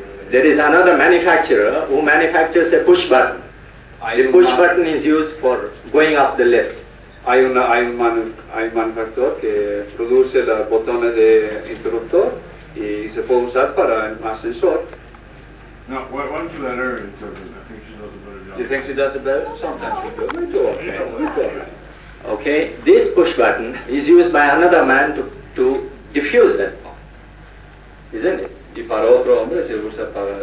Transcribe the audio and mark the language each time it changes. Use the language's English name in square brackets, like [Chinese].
[English] There is another manufacturer who manufactures a push button. The push button is used for going up the lift. [Spanish] Hay un manufacturer que produce los botones de interruptor y se puede usar para el ascensor. [English] No, why don't you let her interpret? I think she does a better job. You think she does it better? Sometimes we do. We do. Okay, this push button is used by another man to diffuse that bomb, isn't it? [Spanish] Y para otro hombre se usa para...